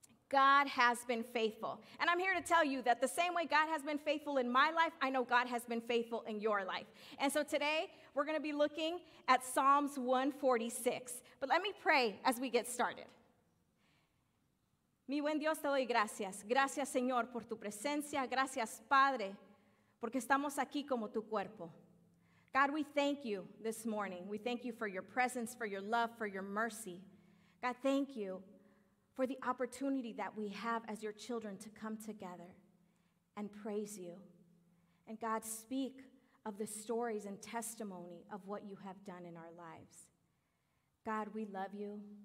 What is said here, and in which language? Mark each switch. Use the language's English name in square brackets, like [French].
[English] God has been faithful. And I'm here to tell you that the same way God has been faithful in my life, I know God has been faithful in your life. And so today, we're going to be looking at Psalms 146. But let me pray as we get started. [Spanish] Mi buen Dios, te doy gracias. Gracias, Señor, por tu presencia. Gracias, Padre, porque estamos aquí como tu cuerpo. [English] God, we thank you this morning. We thank you for your presence, for your love, for your mercy. God, thank you for the opportunity that we have as your children to come together and praise you. And God, speak of the stories and testimony of what you have done in our lives. God, we love you.